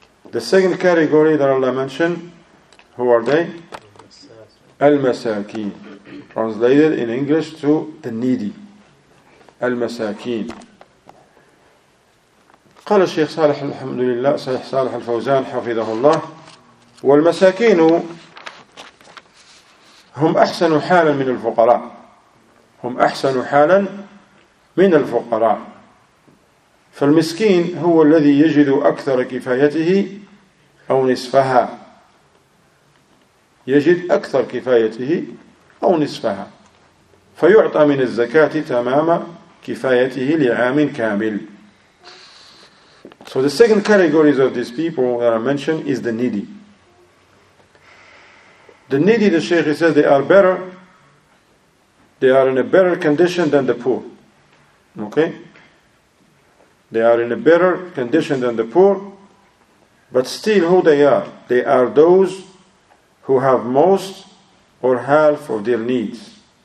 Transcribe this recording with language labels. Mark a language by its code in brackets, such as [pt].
[en] The second category that Allah mentioned, who are they? [ar] المساكين. [en] Translated in English to the needy. [ar] Al-Masakeen. قال الشيخ صالح الحمد لله صالح صالح الفوزان حفظه الله والمساكين هم أحسن حالا من الفقراء. هم أحسن حالا من الفقراء. فالمسكين هو الذي يجد أكثر كفايته أو نصفها. يجد أكثر كفايته أو نصفها فيعطى من الزكاة تمام كفايته لعام كامل. [en] So the second categories of these people that are mentioned is the needy. The needy, the Shaykh says, they are better, they are in a better condition than the poor. Okay? They are in a better condition than the poor, but still who they are those who have most or half of their needs.